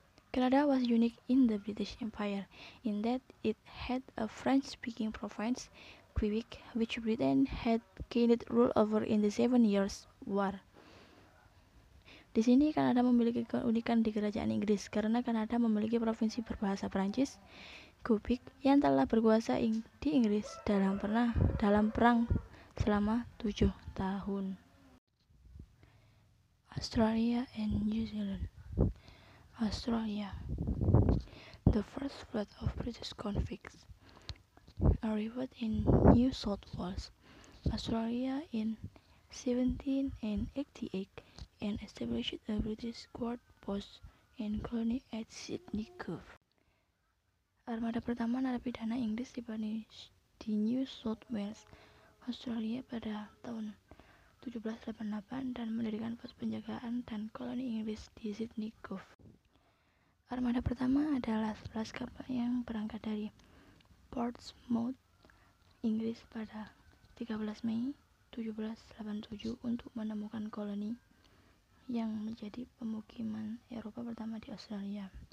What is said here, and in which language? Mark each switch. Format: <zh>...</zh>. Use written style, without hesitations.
<en>Canada was unique in the British Empire in that it had a French-speaking province, Quebec, which Britain had gained rule over in the Seven Years' War.</en> <id>Di sini, Kanada memiliki keunikan di kerajaan Inggris karena Kanada memiliki provinsi berbahasa Prancis, Quebec, yang telah berkuasa di Inggris dalam perang selama 7 tahun.</id> <en>Australia and New Zealand. Australia. The first flood of British convicts arrived in New South Wales, Australia in 1788 and established a British guard post and colony at Sydney Cove.</en> <id>Armada pertama narapidana Inggris di New South Wales, Australia pada tahun 1788 dan mendirikan pos penjagaan dan koloni Inggris di Sydney Cove. Armada pertama adalah 11 kapal yang berangkat dari Portsmouth, Inggris pada 13 Mei 1787 untuk menemukan koloni yang menjadi pemukiman Eropa pertama di Australia.</id>